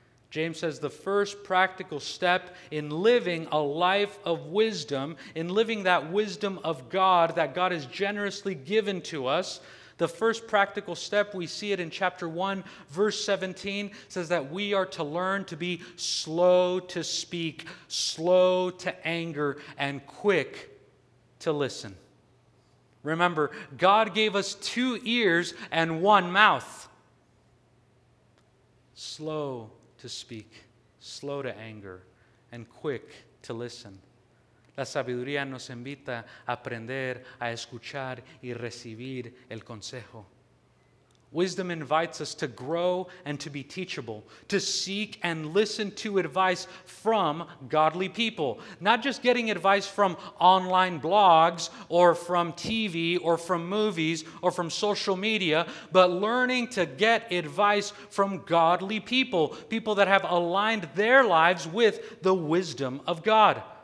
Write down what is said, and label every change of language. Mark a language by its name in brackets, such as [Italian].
[English] James says the first practical step in living a life of wisdom, in living that wisdom of God that God has generously given to us, the first practical step, we see it in chapter 1, verse 17, says that we are to learn to be slow to speak, slow to anger, and quick to listen. Remember, God gave us 2 ears and 1 mouth. Slow to speak, slow to anger, and quick to listen. [Spanish] La sabiduría nos invita a aprender, a escuchar y recibir el consejo. [English] Wisdom invites us to grow and to be teachable, to seek and listen to advice from godly people. Not just getting advice from online blogs or from TV or from movies or from social media, but learning to get advice from godly people, people that have aligned their lives with the wisdom of God.